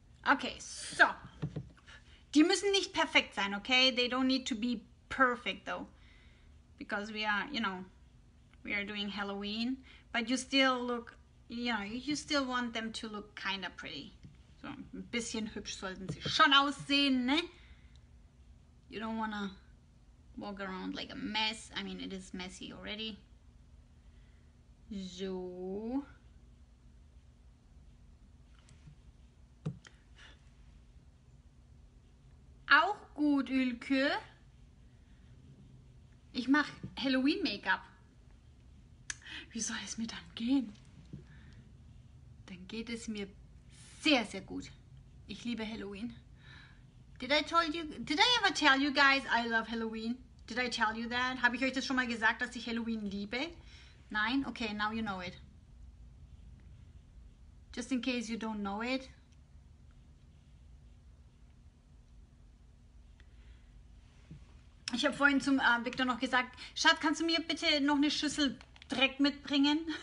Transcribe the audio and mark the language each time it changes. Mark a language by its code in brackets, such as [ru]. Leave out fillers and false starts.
[de] Okay, so. Die müssen nicht perfekt sein, okay? [en] They don't need to be perfect, though. Because we are, you know, we are doing Halloween. But you still look you still want them to look kind of pretty. [de] So, ein bisschen hübsch sollten sie schon aussehen, ne? [en] You don't wanna walk around like a mess. I mean, it is messy already. So. [de] Auch gut, Ülke. Ich mach Halloween-Make-up. Wie soll es mir dann gehen? Dann geht es mir sehr, sehr gut. Ich liebe Halloween. [en] Did I ever tell you guys I love Halloween? Did I tell you that? [de] Habe ich euch das schon mal gesagt, dass ich Halloween liebe? Nein? [en] Okay, now you know it. Just in case you don't know it. [de] Ich habe vorhin zum Victor noch gesagt, Schatz, kannst du mir bitte noch eine Schüssel Dreck mitbringen?